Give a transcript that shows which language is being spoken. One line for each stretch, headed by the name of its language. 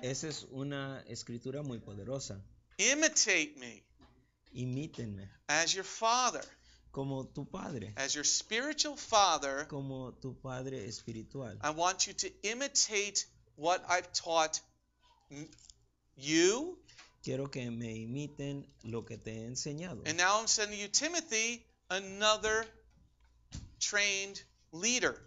Spanish: Esa es una escritura muy poderosa.
English: Imitate me.
Spanish: Imítenme.
English: As your father.
Spanish: Como tu padre.
English: As your spiritual father.
Spanish: Como tu padre espiritual.
English: I want you to imitate what I've taught you.
Spanish: Quiero que me imiten lo que te he enseñado.
English: And now I'm sending you Timothy, another trained leader.